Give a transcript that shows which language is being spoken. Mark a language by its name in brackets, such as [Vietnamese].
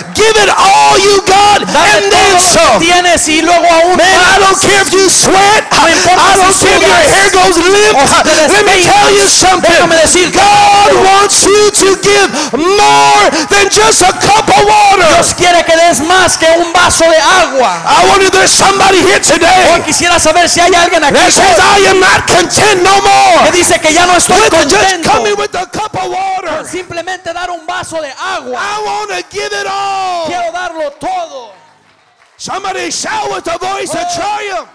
[English] Give it all you got and then some. [Spanish] Y luego aún [English] man, [Spanish] más. [English] I don't care if you sweat. [Spanish] No importa, [English] I don't [Spanish] si [English] care if your hair goes limp. Let me tell you something. God wants you to give more than just a cup of water. [Spanish] Dios quiere que des más que un vaso de agua. [English] I wonder if there's somebody here today. [Spanish] O quisiera saber si hay alguien aquí. [English] That says I am not content no more. [Spanish] Que dice que ya no estoy [English] with [Spanish] contento. [English] Just coming with a cup of water. [Spanish] Con simplemente dar un vaso de agua. [English] I want to give it all. [Spanish] Quiero darlo todo. [English] Somebody shout with a voice of triumph.